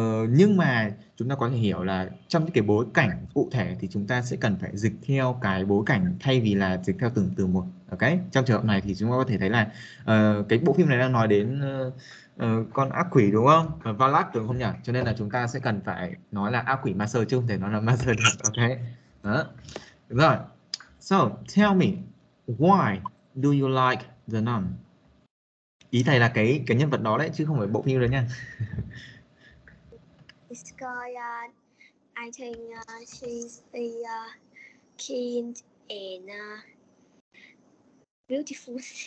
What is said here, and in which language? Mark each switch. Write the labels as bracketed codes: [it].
[vi] Nhưng mà chúng ta có thể hiểu là trong cái bối cảnh cụ thể thì chúng ta sẽ cần phải dịch theo cái bối cảnh thay vì là dịch theo từng từ một. Ok, trong trường hợp này thì chúng ta có thể thấy là cái bộ phim này đang nói đến con ác quỷ đúng không, Valak đúng không nhỉ, cho nên là chúng ta sẽ cần phải nói là ác quỷ ma sơ chứ không thể nói là ma sơ được. Ok, đó. [en] Rồi, so tell me, why do you like The Nun? [vi] Ý thầy là cái nhân vật đó đấy chứ không phải bộ phim đấy nha. [en] It's called, I think she's the kind and beautiful.